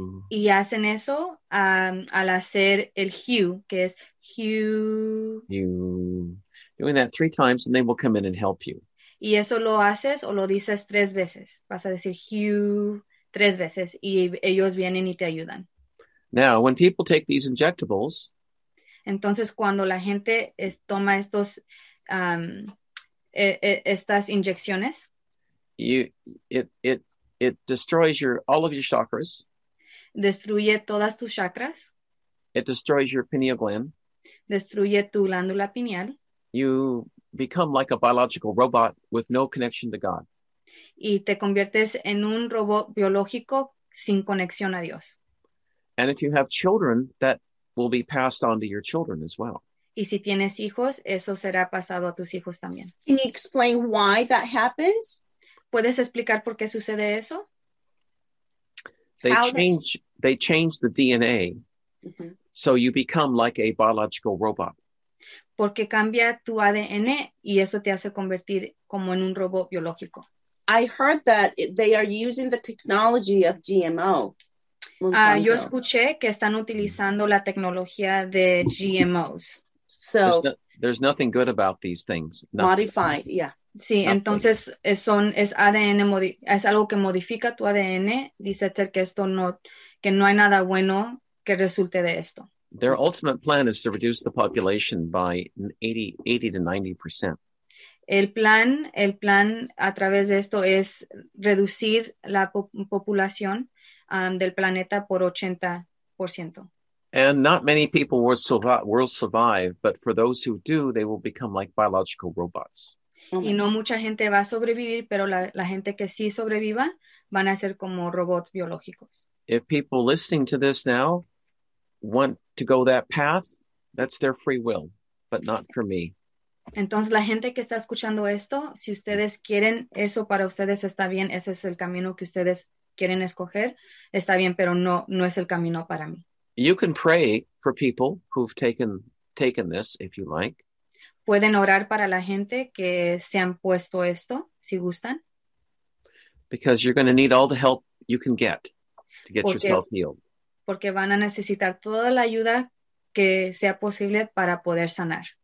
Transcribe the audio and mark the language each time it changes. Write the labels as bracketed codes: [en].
[es] Y hacen eso al hacer el hue, que es hue. [en] Doing that 3 times and they will come in and help you. [es] Y eso lo haces o lo dices 3 veces. Vas a decir hue 3 veces y ellos vienen y te ayudan. [en] Now, when people take these injectables, [es] entonces cuando la gente toma estos estas inyecciones, [en] it destroys all of your chakras. [es] Destruye todas tus chakras. [en] It destroys your pineal gland. [es] Destruye tu glándula pineal. [en] You become like a biological robot with no connection to God. [es] Y te conviertes en un robot biológico sin conexión a Dios. [en] And if you have children, that will be passed on to your children as well. [es] Y si tienes hijos, eso será pasado a tus hijos también. [en] Can you explain why that happens? [es] ¿Puedes explicar por qué sucede eso? [en] They change the DNA. Mm-hmm. So you become like a biological robot. [es] Porque cambia tu ADN y eso te hace convertir como en un robot biológico. [en] I heard that they are using the technology of GMO. [es] Yo escuché que están utilizando la tecnología de GMOs. [en] So there's nothing good about these things. Nothing. Modified, yeah. [es] Sí, [en] nothing. [es] Entonces es ADN, es algo que modifica tu ADN. Dice Ter que esto no, que no hay nada bueno que resulte de esto. [en] Their ultimate plan is to reduce the population by 80 to 90%. [es] El plan a través de esto es reducir la población del planeta por 80%. [en] And not many people will survive, but for those who do, they will become like biological robots. [es] Y no mucha gente va a sobrevivir, pero la gente que sí sobreviva van a ser como robots biológicos. [en] If people listening to this now want to go that path, that's their free will, but not for me. [es] Entonces, la gente que está escuchando esto, si ustedes quieren eso para ustedes, está bien. Ese es el camino que ustedes quieren escoger. Está bien, pero no es el camino para mí. [en] You can pray for people who've taken this, if you like. [es] Pueden orar para la gente que se han puesto esto, si gustan. [en] Because you're going to need all the help you can get to get yourself healed. [es] Porque van a necesitar toda la ayuda que sea posible para poder sanar.